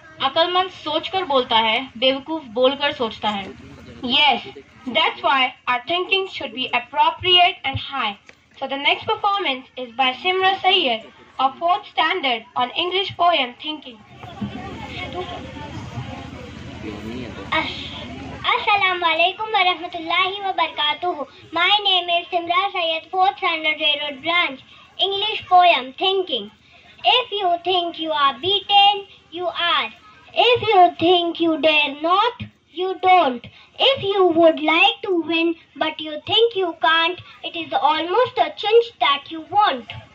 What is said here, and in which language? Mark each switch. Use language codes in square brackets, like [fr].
[hi] Akalman soch kar bolta hai, bevakoof bol kar sochta hai. [en] Yes, that's why our thinking should be appropriate and high. So the next performance is by Simra Sayyid of 4th standard on English poem thinking. Assalamu alaikum wa rahmatullahi wa barakatuhu. My name is Simra Sayyid, 4th standard Railroad Branch. English poem thinking. If you think you are beaten, you are. If you think you dare not, you don't. If you would like to win, but you think you can't, it is almost a chance that you want.